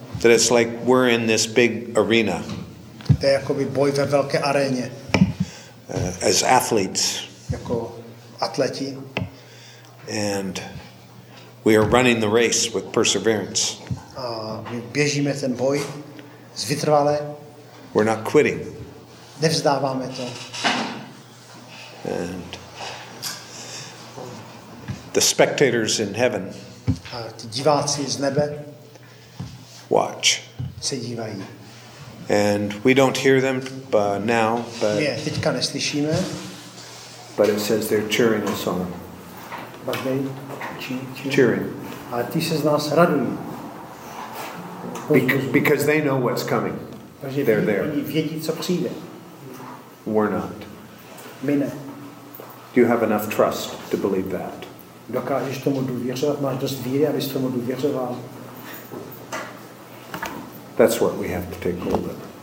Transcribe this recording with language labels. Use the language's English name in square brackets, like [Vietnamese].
[English] that it's like we're in this big arena. [Czech] To je jakoby boj ve velké aréně. [English] As athletes. [Czech] Jako atleti. [English] And we are running the race with perseverance. [Czech] A my běžíme ten boj s vytrvale. [English] We're not quitting. [Czech] Nevzdáváme to. [English] And the spectators in heaven. [Czech] A ti diváci z nebe. [English] Watch. [Czech] Se dívají. [English] And we don't hear them now, but. [Czech] Ne, teďka neslyšíme. [English] But it says they're cheering us on. But they cheering. [Czech] A ti se z nás radují. [English] Because they know what's coming. They're there. [Czech] Oni vědí, co přijde. [English] We're not. [Czech] My ne. [English] Do you have enough trust to believe that? [Czech] Dokážeš tomu důvěřovat? Máš dost víry, abys tomu důvěřoval? [English] That's what we have to take hold of.